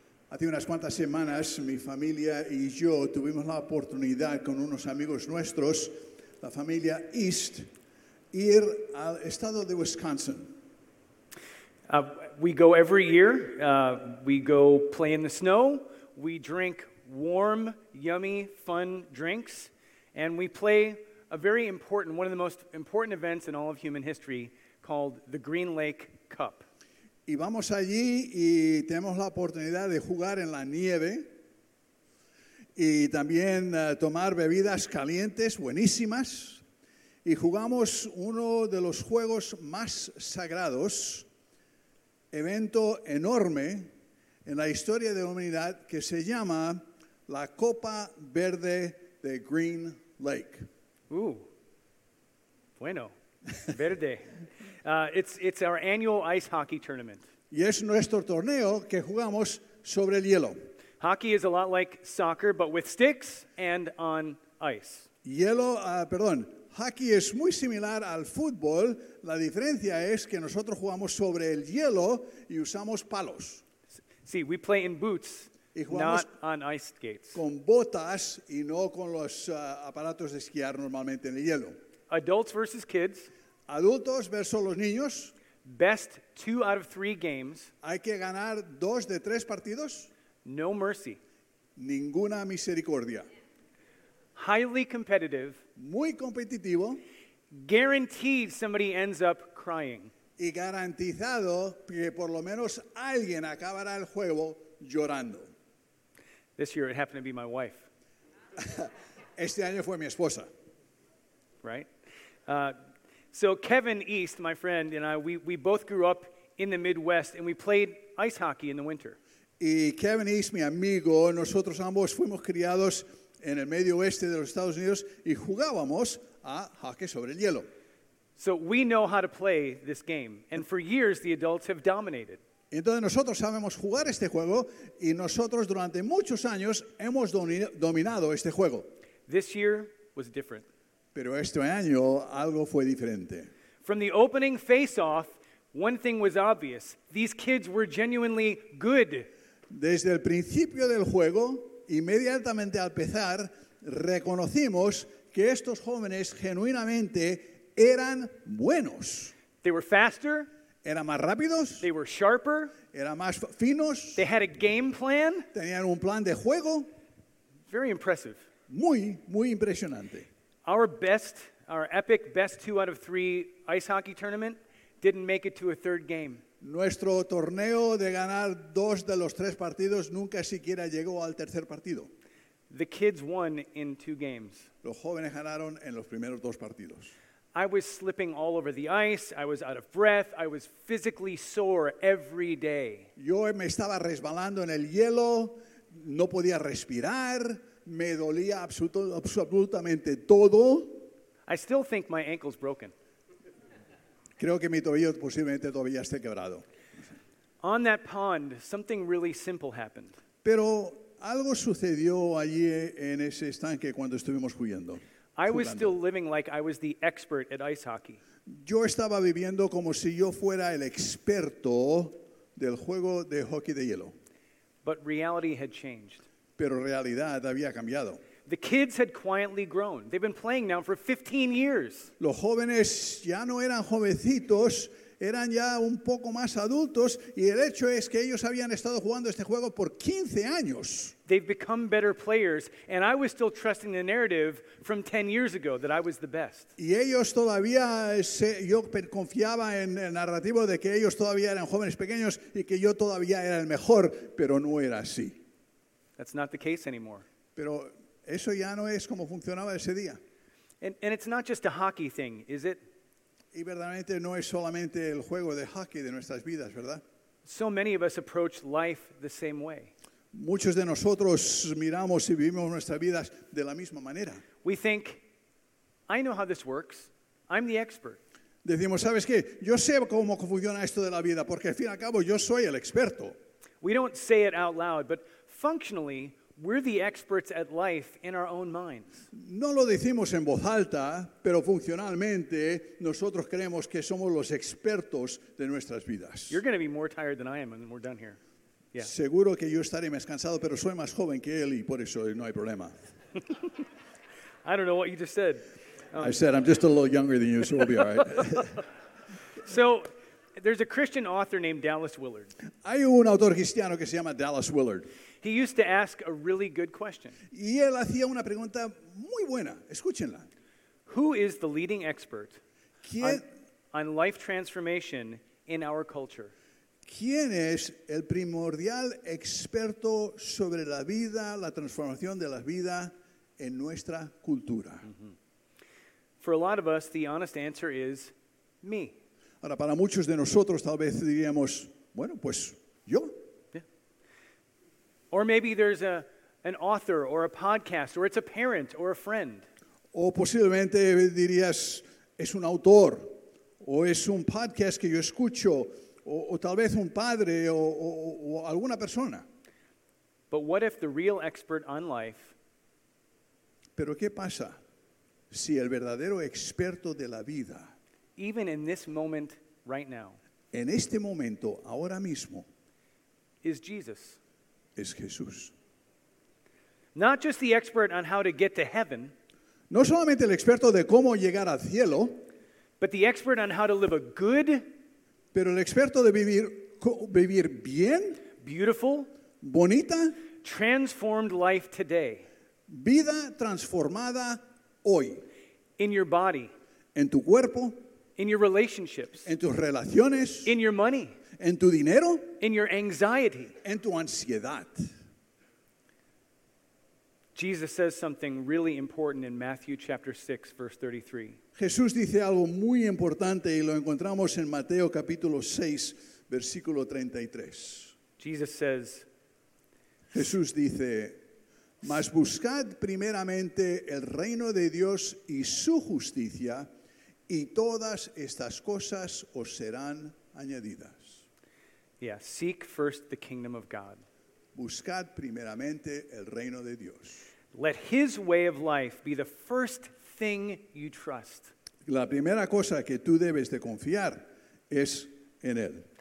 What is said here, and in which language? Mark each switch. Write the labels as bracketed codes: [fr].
[es] Hace unas cuantas semanas, mi familia y yo tuvimos la oportunidad con unos amigos nuestros, la familia East, ir al estado de Wisconsin. [en] We go every year, we go play in the snow, we drink warm, yummy, fun drinks, and we play a very important, one of the most important events in all of human history called the Green Lake Cup. [es] Y vamos allí y tenemos la oportunidad de jugar en la nieve y también tomar bebidas calientes, buenísimas, y jugamos uno de los juegos más sagrados, evento enorme en la historia de la humanidad que se llama La Copa Verde de Green Lake. Ooh, bueno, verde. [en] it's our annual ice hockey tournament. [es] Y es nuestro torneo que jugamos sobre el hielo. [en] Hockey is a lot like soccer, but with sticks and on ice. [es] Hockey es muy similar al fútbol. La diferencia es que nosotros jugamos sobre el hielo y usamos palos. Sí, [en] we play in boots. [es] Y jugamos [en] not on ice skates. [es] Con botas y no con los aparatos de esquiar normalmente en el hielo. [en] Adults versus kids. [es] Adultos versus los niños. [en] Best 2 out of 3 games. [es] Hay que ganar 2 de 3 partidos. [en] No mercy. [es] Ninguna misericordia. [en] Highly competitive. [es] Muy competitivo. [en] Guaranteed somebody ends up crying. [es] Y garantizado que por lo menos alguien acabará el juego llorando. [en] This year it happened to be my wife. [es] Este año fue mi esposa. [en] Right? So Kevin East, my friend, and I, we both grew up in the Midwest, and we played ice hockey in the winter. [es] Y Kevin East, mi amigo, nosotros ambos fuimos criados en el medio oeste de los Estados Unidos y jugábamos a hockey sobre el hielo. [en] So we know how to play this game, and for years the adults have dominated. [es] Entonces nosotros sabemos jugar este juego y nosotros durante muchos años hemos dominado este juego. [en] This year was different. [es] Pero este año algo fue diferente. [en] From the opening face-off, one thing was obvious. These kids were genuinely good. [es] Desde el principio del juego, inmediatamente al empezar, reconocimos que estos jóvenes genuinamente eran buenos. [en] They were faster. [es] Eran más rápidos. [en] They were sharper. [es] Eran más finos. [en] They had a game plan. [es] Tenían un plan de juego. [en] Very impressive. [es] Muy, muy impresionante. [en] Our epic best 2 out of 3 ice hockey tournament didn't make it to a third game. [es] Nuestro torneo de ganar 2 de los 3 partidos nunca siquiera llegó al tercer partido. [en] The kids won in 2 games. [es] Los jóvenes ganaron en los primeros 2 partidos. [en] I was slipping all over the ice. I was out of breath. I was physically sore every day. [es] Yo me estaba resbalando en el hielo. No podía respirar. Me dolía absolutamente todo. [en] I still think my ankle's broken. [es] Creo que mi tobillo posiblemente todavía esté quebrado. [en] On that pond, something really simple happened. [es] Pero algo sucedió allí en ese estanque cuando estuvimos jugando. [en] I was still living like I was the expert at ice hockey. [es] Yo estaba viviendo como si yo fuera el experto del juego de hockey de hielo. [en] But reality had changed. [es] Pero realidad había cambiado. [en] The kids had quietly grown. They've been playing now for 15 years. [es] Los jóvenes ya no eran jovencitos, eran ya un poco más adultos, y el hecho es que ellos habían estado jugando este juego por 15 años. [en] They've become better players, and I was still trusting the narrative from 10 years ago that I was the best. [es] Y ellos todavía, yo confiaba en el narrativo de que ellos todavía eran jóvenes pequeños y que yo todavía era el mejor, pero no era así. [en] That's not the case anymore. [es] Pero eso ya no es como funcionaba ese día. [en] And it's not just a hockey thing, is it? [es] Y verdaderamente no es solamente el juego de hockey de nuestras vidas, ¿verdad? [en] So many of us approach life the same way. [es] Muchos de nosotros miramos y vivimos nuestras vidas de la misma manera. [en] We think, I know how this works. I'm the expert. [es] Decimos, ¿sabes qué? Yo sé cómo funciona esto de la vida, porque al fin y al cabo yo soy el experto. [en] We don't say it out loud, but functionally, we're the experts at life in our own minds. [es] No lo decimos en voz alta, pero funcionalmente nosotros creemos que somos los expertos de nuestras vidas. [en] You're going to be more tired than I am, and then we're done here. Yeah. [es] Seguro que yo estaré más cansado, pero soy más joven que él y por eso no hay problema. [en] I don't know what you just said. I said I'm just a little younger than you, so we'll be all right. So, there's a Christian author named Dallas Willard. [es] Hay un autor cristiano que se llama Dallas Willard. [en] He used to ask a really good question. [es] Y él hacía una pregunta muy buena. Escúchenla. [en] Who is the leading expert on life transformation in our culture? [es] ¿Quién es el primordial experto sobre la vida, la transformación de la vida en nuestra cultura? [en] For a lot of us, the honest answer is me. [es] Ahora, para muchos de nosotros, tal vez diríamos, bueno, pues yo. [en] Or maybe there's an author or a podcast or it's a parent or a friend. [es] O posiblemente dirías es un autor o es un podcast que yo escucho o tal vez un padre o alguna persona. [en] But what if the real expert on life? [es] Pero qué pasa si el verdadero experto de la vida? [en] Even in this moment right now. [es] En este momento ahora mismo. [en] Is Jesus. [es] Es Jesús. [en] Not just the expert on how to get to heaven. [es] No solamente el experto de cómo llegar al cielo. [en] But the expert on how to live a good. [es] Pero el experto de vivir bien. [en] Beautiful. [es] Bonita. [en] Transformed life today. [es] Vida transformada hoy. [en] In your body. [es] En tu cuerpo. [en] In your relationships. [es] En tus relaciones. [en] In your money. [es] En tu dinero. [en] In your anxiety. [es] En tu ansiedad. [en] Jesus says something really important in Matthew chapter 6, verse 33. [es] Jesús dice algo muy importante y lo encontramos en Mateo capítulo 6, versículo 33. [en] Jesus says, [es] Jesús dice, mas buscad primeramente el reino de Dios y su justicia, y todas estas cosas os serán añadidas. [en] Yeah, seek first the kingdom of God. [es] Buscad primeramente el reino de Dios. [en] Let his way of life be the first thing you trust. [es] La primera cosa que tú debes de confiar es en él.